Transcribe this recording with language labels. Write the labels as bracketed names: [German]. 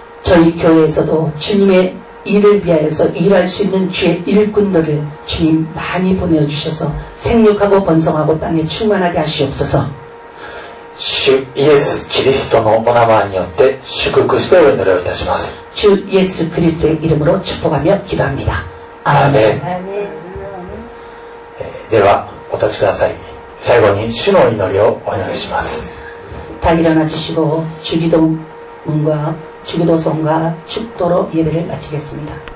[Korean] 저희교회에서도주님의일을위하여서일할수있는주의일꾼들을주님많이보내주셔서생육하고번성하고땅에충만하게하시옵소서 주예수그리스도의이름 [Japanese] によって祝福して祈りをいたします。 [Korean] 주예수그리스도의이름으로축복하며기도합니다 [Japanese] 아멘ではお立ちください。最後に主の祈りをお願いします。 [Korean] 다일어나주시고주기도문과주기도송과축도로예배를마치겠습니다